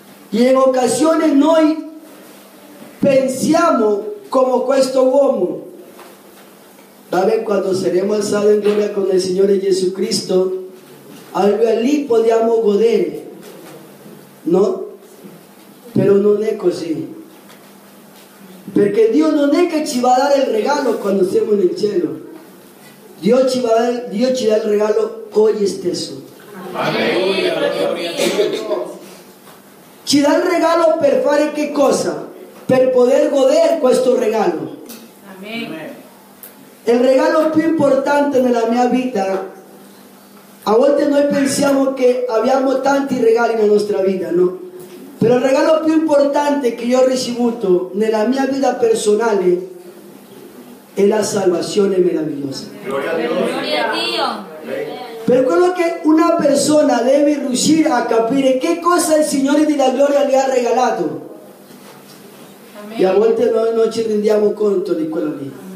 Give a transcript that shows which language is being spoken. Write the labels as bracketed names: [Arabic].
[Italian] E in occasione noi pensiamo come questo uomo. Vabbè, quando saremo alzati in gloria con il Signore Gesù Cristo, allora lì possiamo godere, no? Però non è così. [Spanish] Porque Dios no es que ci va a dar el regalo cuando estemos en el cielo. Dios ci va a dar, Dios ci da el regalo hoy esteso. Aleluya, gloria a Dios. [Italian] Ci da el regalo per fare qué cosa? Per poder goder questo regalo. Amén. El regalo più importante nella mia vita. A volte noi pensiamo che abbiamo tanti regali nella nostra vita, no? [Spanish] Pero el regalo más importante que yo he recibido en la mi vida personal es la salvación maravillosa. Gloria a Dios. Pero creo que una persona debe lucir a capir qué cosa el Señor de la gloria le ha regalado. Amén. Y a volte no nos rendiamos conto de [Italian] quello lì.